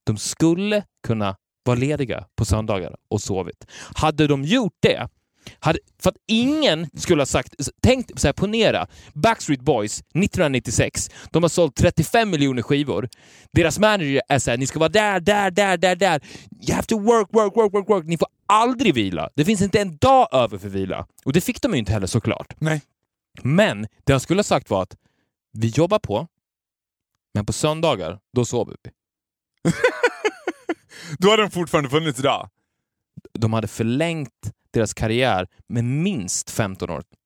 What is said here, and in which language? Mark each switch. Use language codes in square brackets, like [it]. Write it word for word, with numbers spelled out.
[sv] De skulle kunna vara lediga på söndagar och sovit. Hade de gjort det... Hade, för att ingen skulle ha sagt... Tänk så här, ponera. Backstreet Boys nittonhundranittiosex. De har sålt trettiofem miljoner skivor. Deras manager är så här... Ni ska vara där, där, där, där, där. [en] You have to work, work, work, work, work. [sv] Ni får aldrig vila. Det finns inte en dag över för vila. Och det fick de ju inte heller såklart. Nej. Men det han skulle ha sagt var att... Vi jobbar på... Men på söndagar, då sover vi. Då hade de fortfarande funnits idag. De hade förlängt deras karriär med minst femton år.